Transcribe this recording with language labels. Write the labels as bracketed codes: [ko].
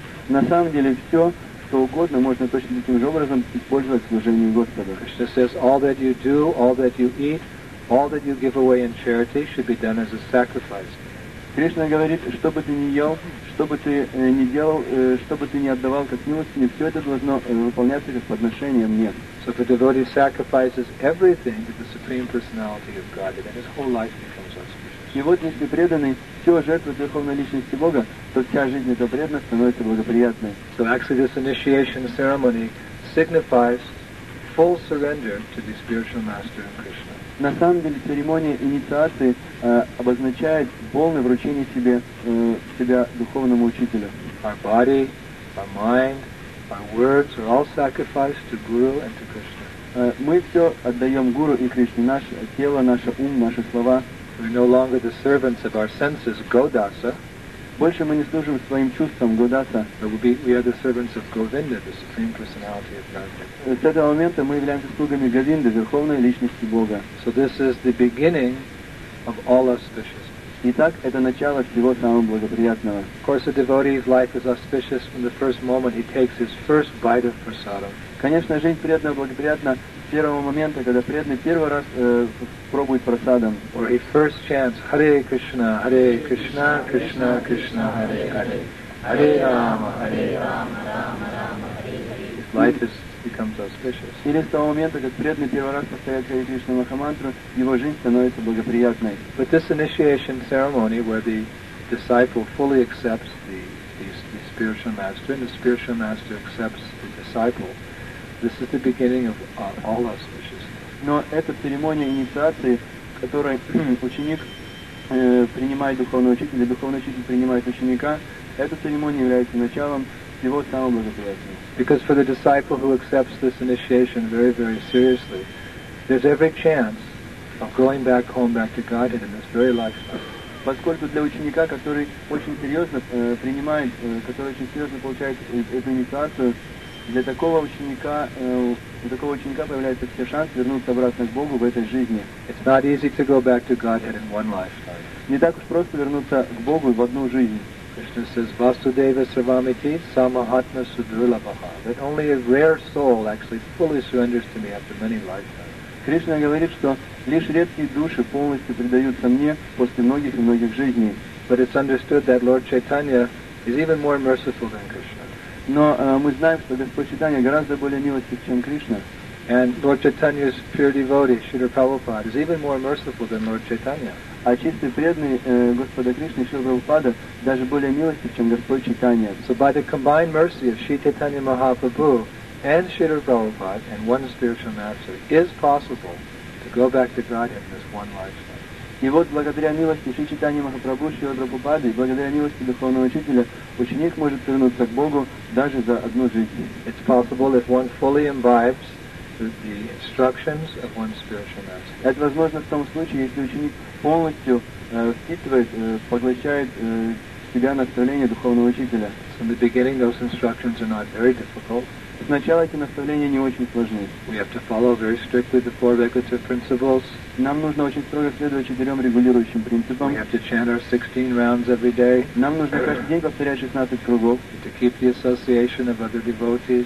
[ru] На самом деле все, что угодно, можно точно таким же образом использовать в служении Господу. [en] Кришна says, all that you do, all that you eat, all that you give away in charity should be done as a sacrifice. [ru] Кришна говорит, что бы ты ни ел, что бы ты ни делал, что бы ты ни отдавал как милостыню, все это должно выполняться как подношение мне. [en] So the devotee sacrifices everything to the Supreme Personality of God, and his whole life becomes auspicious. [ru] И вот если преданный все жертвует Верховной Личности Бога, то вся жизнь этого преданного становится благоприятной. [en] So actually this initiation ceremony signifies full surrender to the spiritual master of Krishna. [ru] На самом деле церемония инициации обозначает полное вручение себя духовному учителю. [en] Our body, our mind, our words are all sacrificed to Guru and to Krishna. [ru] Мы все отдаем Гуру и Кришне, наше тело, наше ум, наши слова. [en] We are no longer the servants of our senses, Godasa. [ru] Больше мы не служим своим чувствам, Годаса. [en] We are the servants of Govinda, the Supreme Personality of Godhead. [ru] С этого момента мы являемся слугами Говинды, Верховной Личности Бога. [en] So this is the beginning of all auspicious. [ru] Итак, это начало всего самого благоприятного. [en] Of course, a devotee's life is auspicious from the first moment he takes his first bite of prasadam. [ru] Конечно, жизнь преданного благоприятна с первого момента, когда преданный первый раз пробует прасадам. [en] Or he first chants, [sa] Hare Krishna, Hare Krishna, Krishna Krishna, Hare Hare. Hare Rama, Hare Rama, Rama Rama, Hare Hare. [en] Life is, becomes auspicious. [ru] Или с того момента, как преданный первый раз повторяет Хари Кришна Махамантру, его жизнь становится благоприятной. [en] But this initiation ceremony where the disciple fully accepts the spiritual master and the spiritual master accepts the disciple, this is the beginning of all auspicious. [ru] Но эта церемония инициации, которой ученик принимает духовного учителя, духовный учитель принимает ученика, эта церемония является началом всего самого благоприятного. [en] Because for the disciple who accepts this initiation very, very seriously, there's every chance of going back home, back to Godhead in this very lifetime. [ru] Поскольку для ученика, который очень серьезно принимает, который очень серьезно получает эту инициацию, для такого ученика, появляются все шансы вернуться обратно к Богу в этой жизни. [en] It's not easy to go back to Godhead in one lifetime. [ru] Не так уж просто вернуться к Богу в одну жизнь. [en] Krishna says, [sa] Vasudeva Sarvamiti Samahatma Sudrulabaha. [en] That only a rare soul actually fully surrenders to me after many lifetimes. [ru] Кришна говорит, что лишь редкие души полностью предаются мне после многих и многих жизней. [en] But it's understood that Lord Chaitanya is even more merciful than Krishna. [ru] Но мы знаем, что Господь Чайтанья гораздо более милостив, чем Кришна. [en] And Lord Chaitanya's pure devotee, Śrīla Prabhupāda, is even more merciful than Lord Chaitanya. [ru] А чистый преданный Господа Кришны, Śrīla Prabhupāda, даже более милостив, чем Господь Чайтанья. [en] So by the combined mercy of Śrī Chaitanya Mahāprabhu and Śrīla Prabhupāda and one spiritual master, it is possible to go back to God in this one lifetime. [ru] И вот благодаря милости Шри Чайтанья Махапрабху, Шри Прабхупады, и благодаря милости Духовного Учителя, ученик может вернуться к Богу даже за одну жизнь. [en] It's possible if one fully imbibes the instructions of one spiritual master. [ru] Это возможно в том случае, если ученик полностью впитывает, поглощает в себя наставления Духовного Учителя. [en] So in the beginning those instructions are not very difficult. [ru] Сначала эти наставления не очень сложны. [en] We have to follow very strictly the four regulative principles. [ru] Нам нужно очень строго следовать четырем регулирующим принципам. [en] We have to chant our 16 rounds every day. [ru] Нам нужно каждый день повторять 16 кругов. [en] We have to keep the association of other devotees.